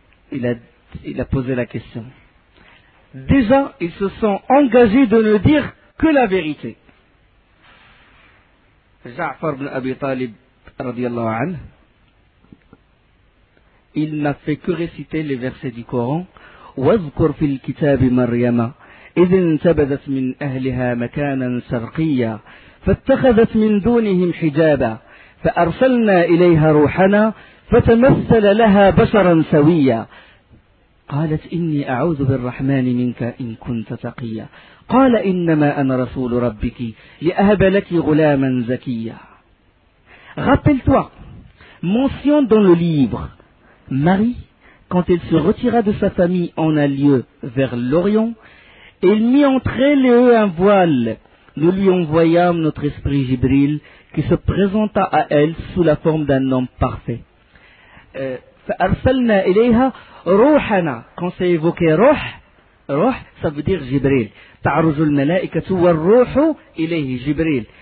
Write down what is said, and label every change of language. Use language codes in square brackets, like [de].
[fr] Il a posé la question. Déjà, ils se sont engagés de ne dire que la vérité. Ja'far ibn Abi Talib, radiallahu anhu, il n'a fait que réciter les versets du Coran. [ar] وَذْكُرْ فِي الْكِتَابِ مَرْيَمَا إِذْ انْتَبَذَتْ مِنْ أَهْلِهَا مَكَانًا شَرْقِيًّا فَاتَّخَذَتْ مِنْ دُونِهِمْ حِجَابًا فأرسلنا إليها روحنا فتمثل لها بشرا سويا قالت إني أعوذ بالرحمن منك إن كنت تقيا قال إنما أنا رسول ربك لأهب لك غلاما زكيا. [fr] Rappelle-toi, mention dans le livre, Marie, quand elle se retira de sa famille en un lieu vers l'Orient, elle mit entre elle et eux un voile. Nous lui envoyâmes notre esprit Jibril, qui se présenta à elle sous la forme d'un homme parfait. [ar] فَأَرْسَلْنَا إِلَيْهَا رُوحَنَا. [fr] Quand c'est évoqué Ruh, ça veut dire Jibril. [ar] تَعْرُجُ الْمَلَائِكَةُ وَالْرُوحُ إِلَيْهِ Jibril.